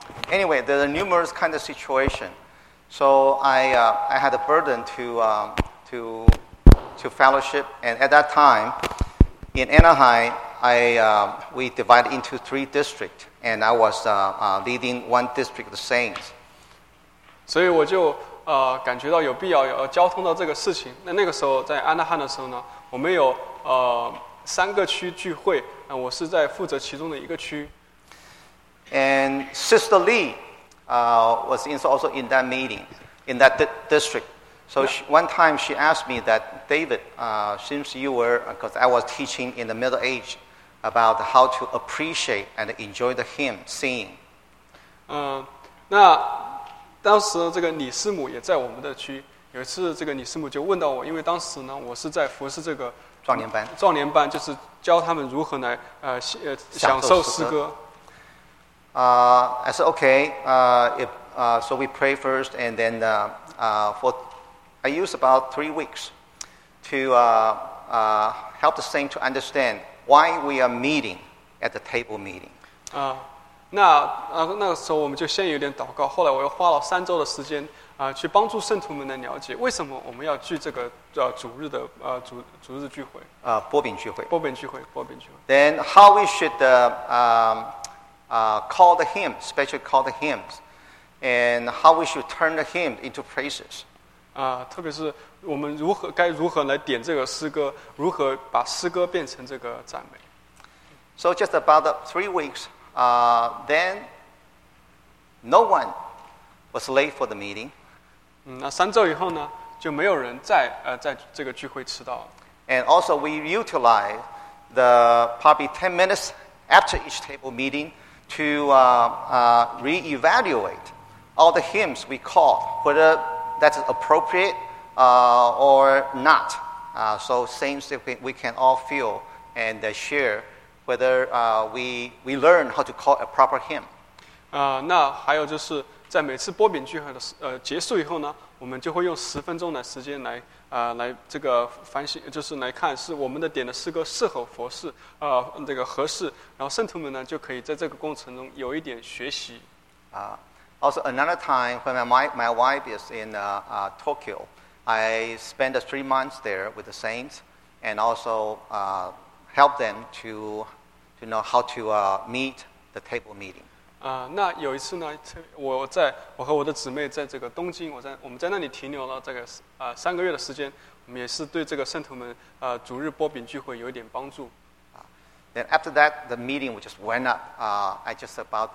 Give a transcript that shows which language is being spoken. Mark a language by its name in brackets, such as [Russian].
[English] Anyway, there are numerous kind of situation, so I had a burden to fellowship, and at that time in Anaheim. We divided into three districts, and I was leading one district of the saints. [Chinese] 所以我就感觉到有必要要交通到这个事情。那个时候在安纳汉的时候呢，我们有三个区聚会，我是在负责其中的一个区。 [English] And Sister Lee was also in that meeting. in that district. So yeah. One time she asked me that, David, since you were, because I was teaching in the Middle Age about how to appreciate and enjoy the hymn singing. [Chinese] 那当时这个李师母也在我们的区。有一次这个李师母就问到我，因为当时呢我是在服侍这个壮年班，壮年班就是教他们如何来享受诗歌。 [English] I said, okay, so we pray first, and then I use about 3 weeks to help the saint to understand why we are meeting at the table meeting. [Chinese] 那个时候我们就先有点祷告，后来我又花了3周的时间去帮助圣徒们来了解为什么我们要聚这个主日聚会。波饼聚会。 [English] Then how we should call the hymn, especially call the hymns, and how we should turn the hymn into praises. [Chinese] 特别是我们该如何来点这个诗歌，如何把诗歌变成这个赞美。 [English] So just about 3 weeks, then no one was late for the meeting. [Chinese] 那三周以后呢，就没有人在这个聚会迟到了。 [English] And also we utilize the probably 10 minutes after each table meeting to reevaluate all the hymns we call, whether that's appropriate or not. So saints we can all feel and share whether we learn how to call a proper hymn. [Chinese] 那还有就是在每次波饼聚会的结束以后呢，我们就会用10分钟的时间来这个反省，就是来看是我们的点的诗歌是否合适，这个合适。然后圣徒们呢就可以在这个过程中有一点学习。 [English] Also another time when my wife is in Tokyo, I spend 3 months there with the saints and also help them to know how to meet the table meeting. [Chinese] 那有一次呢，我和我的姊妹在这个东京，我们在那里停留了这个3个月的时间，我们也是对这个圣徒们主日波饼聚会有一点帮助。 [English] Then after that, the meeting just went up.